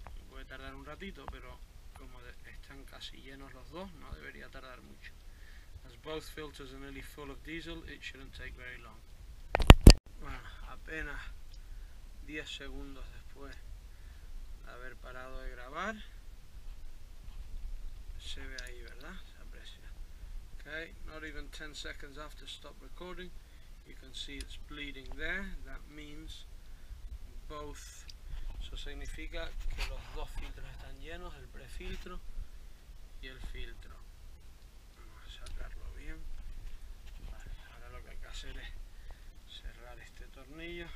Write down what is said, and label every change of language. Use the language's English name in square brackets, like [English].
[Spanish] Puede tardar un ratito, pero como están casi llenos los dos, no debería tardar mucho. [English] As both filters are nearly full of diesel, it shouldn't take very long. [Spanish] Bueno, apenas 10 segundos después haber parado de grabar, se ve ahí, ¿verdad? Se aprecia. [English] Okay, not even 10 seconds after stop recording, you can see it's bleeding there. That means both. [Spanish] Eso significa que los dos filtros están llenos, el prefiltro y el filtro. Vamos a sacarlo bien. Vale, ahora lo que hay que hacer es cerrar este tornillo.